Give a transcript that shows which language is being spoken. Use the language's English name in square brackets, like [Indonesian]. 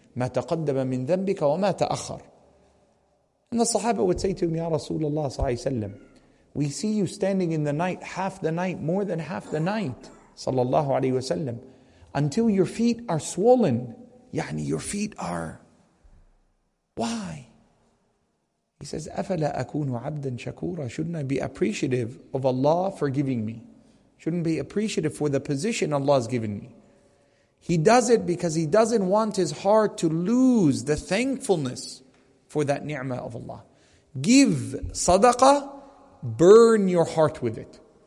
[Arabic] مَا تَقَدَّمَ مِنْ ذَنْبِكَ وَمَا تَأَخَّرَ. [English] And the Sahaba would say to him, Ya Rasulullah sallallahu alayhi wa sallam, we see you standing in the night, half the night, more than half the night, sallallahu alayhi wa sallam, until your feet are swollen. Yani, your feet are. Why? [Arabic] He says, أَفَلَا أَكُونُ عَبْدًا شَكُورًا. [English] Shouldn't I be appreciative of Allah forgiving me? Shouldn't be appreciative for the position Allah has given me? He does it because he doesn't want his heart to lose the thankfulness for that ni'mah of Allah. Give sadaqah, burn your heart with it.